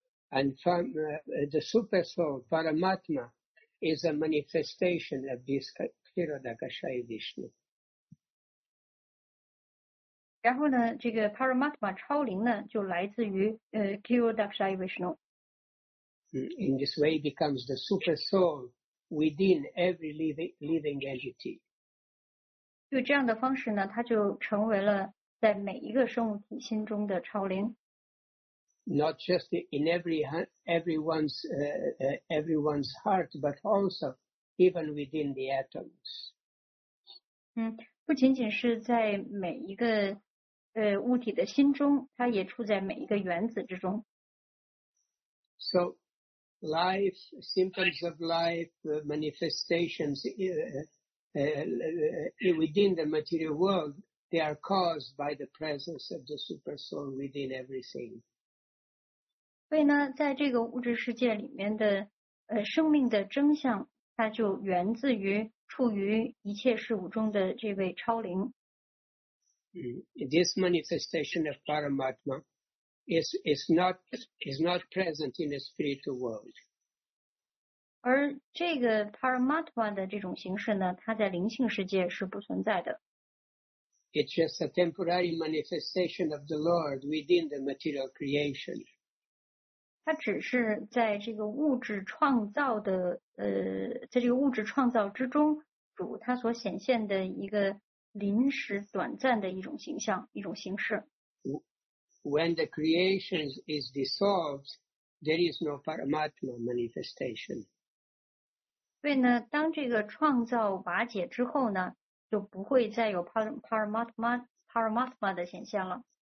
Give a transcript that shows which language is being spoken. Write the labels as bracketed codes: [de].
[en] And from, the super soul Paramatma is a manifestation of this Kshirodakshaya Vishnu. [zh] 然后呢，这个 Paramatma 超灵呢，就来自于Kshirodakshaya Vishnu. [en] In this way, becomes the super soul within every living entity. [zh] 就这样的方式呢，它就成为了在每一个生物体心中的超灵。 [en] Not just in everyone's heart, but also even within the atoms. [zh] 不仅仅是在每一个物体的心中，它也处在每一个原子之中。 [en] So, life, symptoms of life, manifestations. Within the material world, they are caused by the presence of the super soul within everything. [zh] 所以呢，在这个物质世界里面的生命的真相，它就源自于处于一切事物中的这位超灵。 [en] This manifestation of Paramatma is not present in the spiritual world. [zh] 而这个 Paramatma 的这种形式呢，它在灵性世界是不存在的。 [en] It's just a temporary manifestation of the Lord within the material creation. [zh] 它只是在这个物质创造的在这个物质创造之中，主它所显现的一个临时短暂的一种形象，一种形式。 [en] When the creation is dissolved, there is no Paramatma manifestation. [zh] 所以呢，当这个创造瓦解之后呢，就不会再有 Paramatma 的显现了。